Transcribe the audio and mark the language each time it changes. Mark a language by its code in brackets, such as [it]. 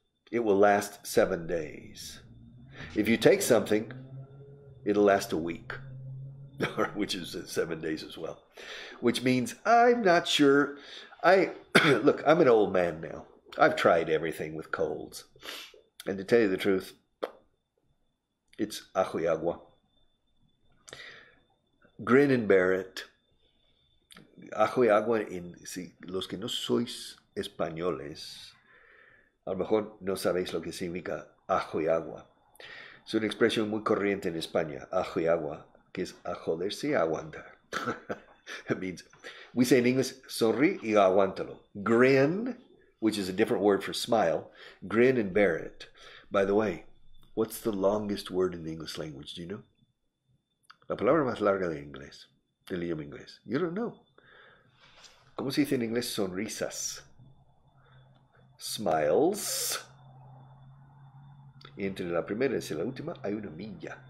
[en] It will last 7 days. If you take something, it'll last a week, which is 7 days as well, which means I'm not sure. Look, I'm an old man now. I've tried everything with colds. And to tell you the truth, it's [es] ajo y agua. [en] Grin and bear it. [es] Ajo y agua en si los que no sois españoles, a lo mejor no sabéis lo que significa ajo y agua. Es una expresión muy corriente en España, ajo y agua, que es a joderse y aguantar. [en] It means, we say in English, [es] sonríe y aguántalo. [en] Grin, which is a different word for smile, grin and bear it. By the way, what's the longest word in the English language, do you know? [es] La palabra más larga de inglés, del idioma inglés. [en] You don't know. [es] ¿Cómo se dice en inglés sonrisas? Smiles. Entre la primera y la última hay una milla.